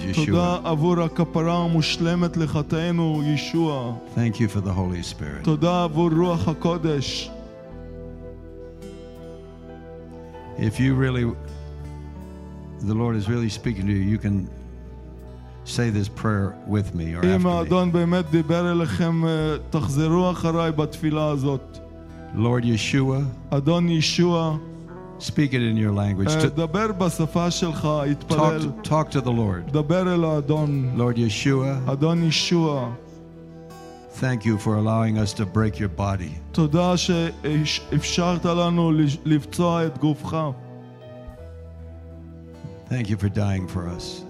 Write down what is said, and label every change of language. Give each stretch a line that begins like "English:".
English: Yeshua. Thank you for the Holy Spirit. If you really, the Lord is really speaking to you, you can say this prayer with me or after me.
Hebrew: אם אדון באמת דיבר אליכם, תחזרו אחריי בתפילה הזאת.
English: Lord Yeshua,
Hebrew: אדון ישועה,
English: speak it in your language.
Hebrew: דבר בשפה שלך, התפלל.
English: Talk to the Lord.
Hebrew: דבר אל האדון.
English: Lord Yeshua,
Hebrew: אדון ישועה.
English: Thank you for allowing us to break your body. Thank you for dying for us.